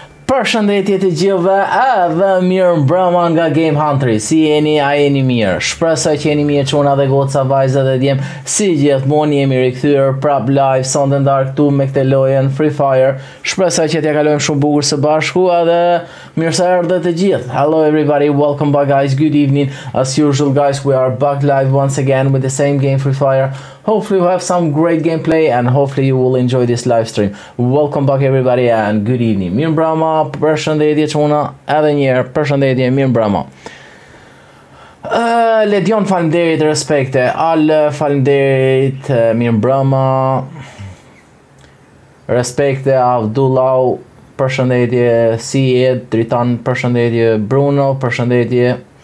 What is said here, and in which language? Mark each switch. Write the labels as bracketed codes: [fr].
[sq] Përshëndetje të gjithëve, dhe mirë mbrëma nga Game Hunter. Si jeni, a jeni mirë? Shpresoj që jeni mirë, çuna dhe goca, vajza dhe djem. Si gjithmonë jemi rikthyer prap live sonte ndar këtu me këtë lojën Free Fire. Shpresoj që t'ia kalojmë shumë bukur së bashku, edhe mirëseardhje të gjithë. [en] Hello everybody, welcome back guys. Good evening. As usual guys, we are back live once again with the same game Free Fire. Hopefully we have some great gameplay and hopefully you will enjoy this live stream. Welcome back everybody and good evening. [sq] Mirëmbrëma, përshëndetje çuna, edhe një herë përshëndetje, mirëmbrëma. Ledion, faleminderit, respekte. Al, faleminderit, mirëmbrëma. Respekte, Abdullah, përshëndetje, Sid, Tritan, përshëndetje, Bruno, përshëndetje.